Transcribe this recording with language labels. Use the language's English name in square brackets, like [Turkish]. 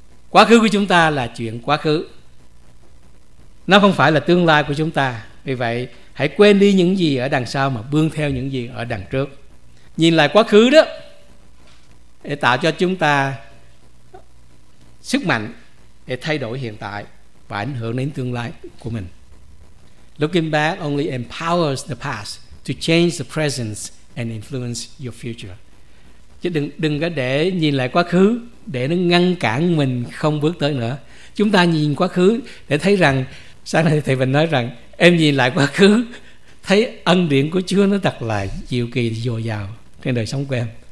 [Vietnamese] Quá khứ của chúng ta là chuyện quá khứ, nó không phải là tương lai của chúng ta. Vì vậy hãy quên đi những gì ở đằng sau mà bươn theo những gì ở đằng trước. Nhìn lại quá khứ đó để tạo cho chúng ta sức mạnh để thay đổi hiện tại và ảnh hưởng đến tương lai của mình. [English] Looking back only empowers the past to change the present and influence your future. [Vietnamese] Chứ đừng có để nhìn lại quá khứ để nó ngăn cản mình không bước tới nữa. Chúng ta nhìn quá khứ để thấy rằng, sáng nay thầy Bình nói rằng em nhìn lại quá khứ thấy ân điển của Chúa nó đặt lại diệu kỳ dồi dào trên đời sống của em.